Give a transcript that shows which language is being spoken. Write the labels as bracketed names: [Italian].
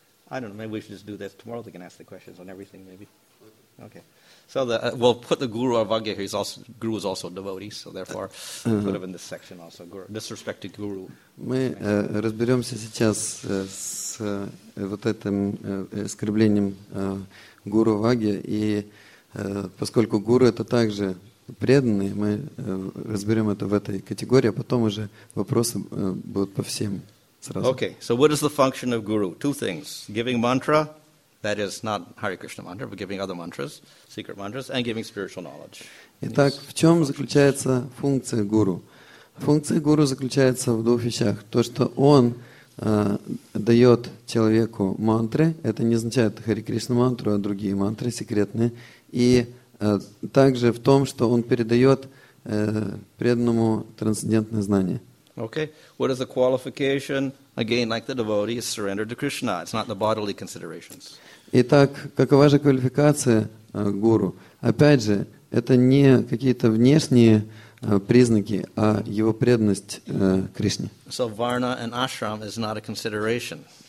[English] I don't know, maybe we should just do this tomorrow. They can ask the questions on everything, maybe. Okay. So we'll put the guru Avagya here. Guru is also a devotee, so therefore, put him in this section also. Disrespect to guru. [Russian] Мы разберемся сейчас с вот этим оскорблением гуру Авагья, и поскольку гуру это также преданный, мы разберем это в этой категории, а потом уже вопросы будут по всем сразу. [English] Okay, so what is the function of guru? Two things: giving mantra, that is not Hare Krishna mantra, but giving other mantras, secret mantras, and giving spiritual knowledge. [Russian] Итак, в чем заключается функция гуру? Функция гуру заключается в двух вещах: то, что он дает человеку мантры, это не означает Хари Кришна мантру, а другие мантры секретные, и также в том, что он передает преданному трансцендентное знание. [English] Okay, what is the qualification? Again, like the devotee, is surrender to Krishna. It's not the bodily considerations. [Russian] Итак, какова же квалификация гуру? Опять же, это не какие-то внешние признаки, а его преданность Кришне. [English] So varna and ashram is not a consideration.